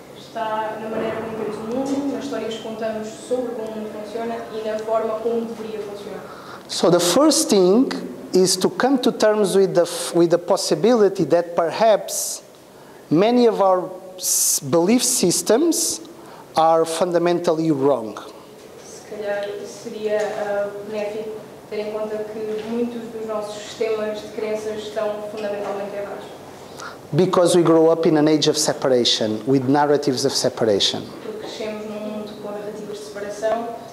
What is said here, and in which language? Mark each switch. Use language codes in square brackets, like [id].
[pt] Está na maneira como vemos o mundo, nas histórias que contamos sobre como o mundo funciona e na forma como deveria funcionar. [en] So the first thing is to come to terms with the possibility that perhaps many of our belief systems are fundamentally wrong. [pt] Se calhar seria benéfico ter em conta que muitos dos nossos sistemas de crenças estão fundamentalmente errados. [en] Because we grow up in an age of separation, with narratives of separation. [pt] Porque crescemos num mundo com narrativas de separação.